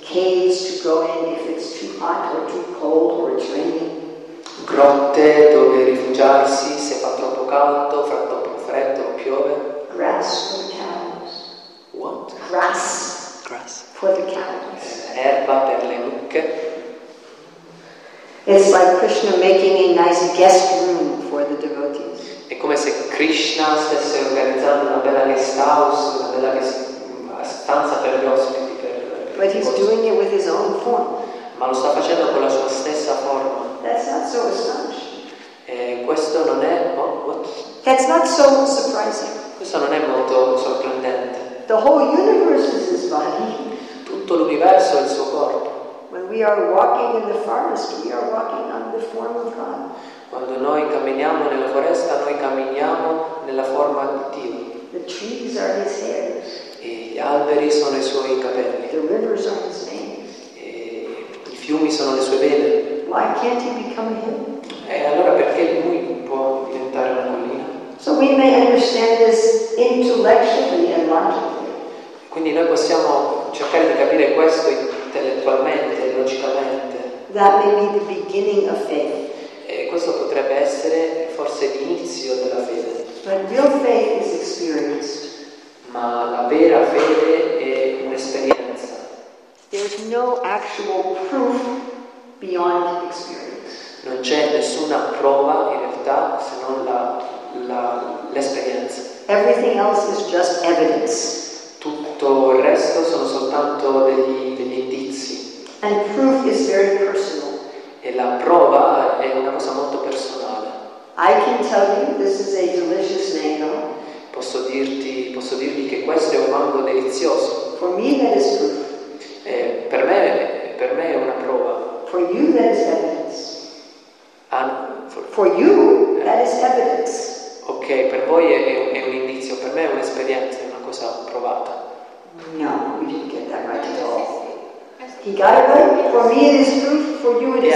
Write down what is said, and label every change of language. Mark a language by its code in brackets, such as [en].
[en] Caves to go in if it's too hot or too cold or it's raining. [it] Grotte dove rifugiarsi se fa troppo caldo, fa troppo freddo o piove. [en] Grass for the cows. What? Grass. For the cows. [it] Erba per le mucche. [en] It's like Krishna making a nice guest room for the devotees. [it] È come se Krishna stesse organizzando una bella guest house, una bella stanza per gli ospiti. [en] But he's doing it with his own form. [it] Ma lo sta facendo con la sua stessa forma. [en] That's not so astonishing. [it] Questo non è what? [en] That's not so surprising. [it] Questo non è molto sorprendente. [en] The whole universe is his body. [it] Tutto l'universo è il suo corpo. [en] When we are walking in the forest, we are walking on the form of God. [it] Quando noi camminiamo nella foresta, noi camminiamo nella forma di Dio. [en] The trees are his hair. [it] E gli alberi sono i suoi capelli. [en] The rivers are his veins. [it] I fiumi sono le sue vene. [en] Why can't he become him? [it] E allora perché lui può diventare una collina? [en] So we may understand this intellectually and logically. [it] Quindi noi possiamo cercare di capire questo intellettualmente, logicamente. [en] That may be the beginning of faith. [it] E questo potrebbe essere forse l'inizio della fede. [en] But real faith is experienced. [it] Ma la vera fede è un'esperienza. [en] There's no actual proof beyond experience. [it] Non c'è nessuna prova in realtà se non l'esperienza. [en] Everything else is just evidence. [it] Tutto il resto sono soltanto degli indizi. [en] And proof is very personal. [it] E la prova è una cosa molto personale. [en] I can tell you this is a delicious mango. [it] Posso dirvi che questo è un mango delizioso. [en] For me that is proof. [it] Per me è una prova. [en] For you that is evidence. For you that is evidence. [it] Ok, per voi è un indizio, per me è un esperienza, è una cosa provata. [en] No, we didn't get that right at all. He got it right. For me it is proof, for you it is